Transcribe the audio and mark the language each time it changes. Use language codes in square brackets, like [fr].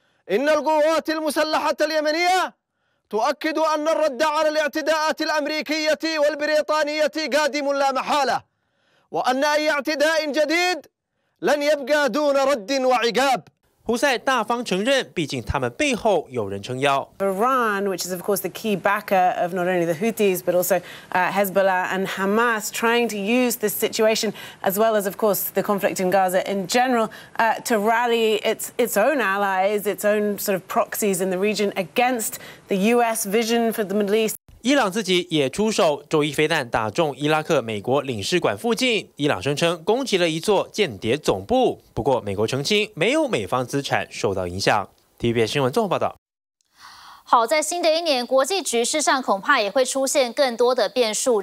[ar] إن القوات المسلحة اليمنية تؤكد أن الرد على الاعتداءات الأمريكية والبريطانية قادم لا محالة وأن أي اعتداء جديد لن يبقى دون رد وعقاب. [zh] 胡塞大方承认，毕竟他们背后有人撑腰。 [en] Iran, which is of course the key backer of not only the Houthis but also Hezbollah and Hamas, trying to use this situation as well as of course the conflict in Gaza in general to rally its own allies, its own sort of proxies in the region against the U.S. vision for the Middle East. [zh] 伊朗自己也出手，周一飞弹打中伊拉克美国领事馆附近，伊朗声称攻击了一座间谍总部。不过美国澄清没有美方资产受到影响。 TVBS 新闻综合报道。好，在新的一年，国际局势上恐怕也会出现更多的变数。